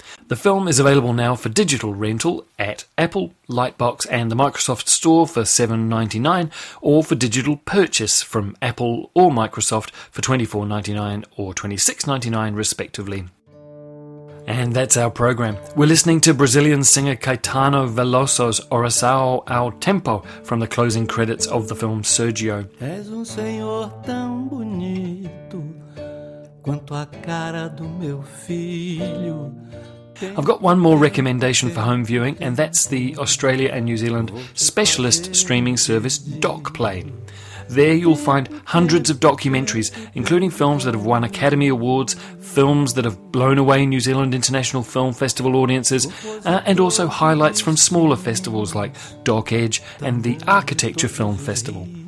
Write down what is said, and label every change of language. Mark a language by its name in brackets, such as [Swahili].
[English] The film is available now for digital rental at Apple, Lightbox and the Microsoft Store for $7.99, or for digital purchase from Apple or Microsoft for $24.99 or $26.99 respectively. And that's our program. We're listening to Brazilian singer Caetano Veloso's Oração ao Tempo from the closing credits of the film Sergio. [Portuguese] És senhor tão bonito quanto a cara do meu filho. [English] I've got one more recommendation for home viewing, and that's the Australia and New Zealand specialist streaming service DocPlay. There you'll find hundreds of documentaries, including films that have won Academy Awards, films that have blown away New Zealand International Film Festival audiences, and also highlights from smaller festivals like Doc Edge and the Architecture Film Festival.